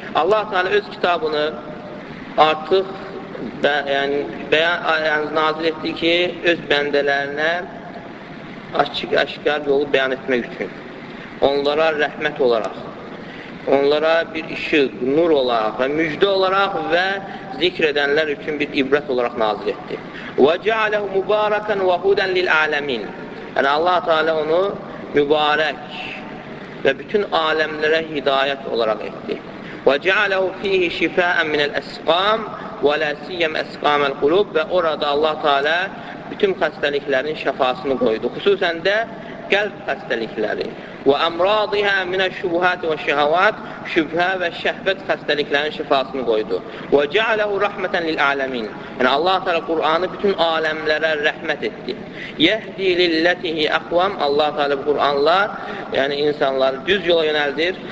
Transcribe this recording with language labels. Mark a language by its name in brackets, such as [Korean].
[Azerbaijani] Allah Teala öz kitabını artıq yani nazil etdi ki öz bəndələrinə açıq-aşkar yolu bəyan etmək üçün, onlara rəhmət olaraq, onlara bir işıq, nur olaraq və müjdə olaraq və zikr edənlər üçün bir ibrət olaraq nazil etdi. [Arabic] وَجَعَلَهُ مُبَارَكًا وَهُدًا لِلْعَالَمِينَ [Azerbaijani] Yəni Allah-u Teala onu mübarək və bütün aləmlərə hidayət olaraq etdi. [Arabic] وَجَعَلَهُ ف۪يهِ شِفَاءً مِنَ الْأَسْقَامِ وَلَا سِيَّمْ أَسْقَامَ الْقُلُوبِ [Azerbaijani] Və orada Allah-u Teala bütün xəstəliklərin şəfasını qoydu. Xüsusən də qəlb xəstəlikləri. Və [Arabic] əmrəzihə minə şübhəti və şəhəvat, [Azerbaijani] şübhə və şəhvət xəstəliklərin şəfasını qoydu. [Arabic] Və cəaləhu rəhmətən lil-ələmin. [Azerbaijani] Yəni Allah Teala Qur'anı bütün aləmlərə rəhmət etdi. [Arabic] Yəhdi lilləti əqvam. [Azerbaijani] Allah Teala bu Qur'anla, yəni insanları düz yola yönəldir.